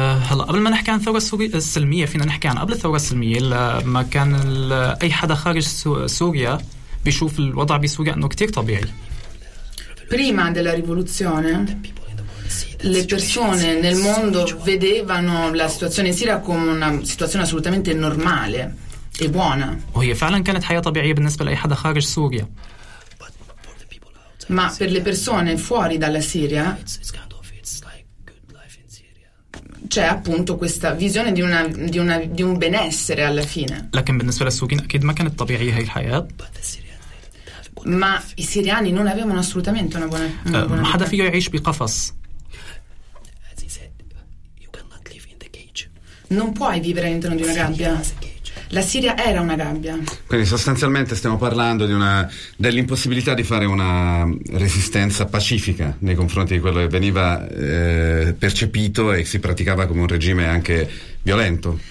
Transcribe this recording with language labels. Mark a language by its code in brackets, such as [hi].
[ar] هلا قبل ما نحكي عن الثورة السلمية فينا نحكي عن قبل الثورة السلمية لما كان أي حدا خارج سوريا بيشوف الوضع بسوريا أنه كتير طبيعي. [it] Prima della rivoluzione le persone nel mondo vedevano la situazione in Siria come una situazione assolutamente normale e buona. [ar] وهي فعلا كانت حياة طبيعية بالنسبة لأي حدا خارج سوريا. [it] Ma per le persone fuori dalla Siria c'è appunto questa visione di una di una di un benessere alla fine. [ar] لكن بالنسبة للسوريين أكيد ما كانت طبيعية هاي الحياة. [it] Ma i siriani non avevano assolutamente una buona. [ar] ما حدا فيه يعيش بقفص. [en] As he said, you cannot live in the cage. [it] Non puoi vivere all'interno di una gabbia. La Siria era una gabbia. Quindi sostanzialmente stiamo parlando di una dell'impossibilità di fare una resistenza pacifica nei confronti di quello che veniva percepito e si praticava come un regime anche violento.